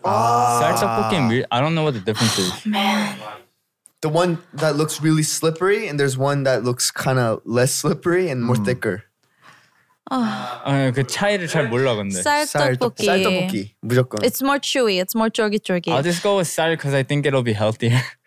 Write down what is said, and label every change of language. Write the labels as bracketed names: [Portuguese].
[Korean] 쌀떡볶이 밀 [English] I don't know what the difference is. The one that looks really slippery and there's one that looks kind of less slippery and more thicker. [Korean] 아, 그 차이를 잘 몰라 근데. 쌀떡볶이. 쌀떡볶이 무조건. [English] It's more chewy. It's more [Korean] 쫄깃쫄깃. [English] I'll just go with 쌀 because I think it'll be healthier.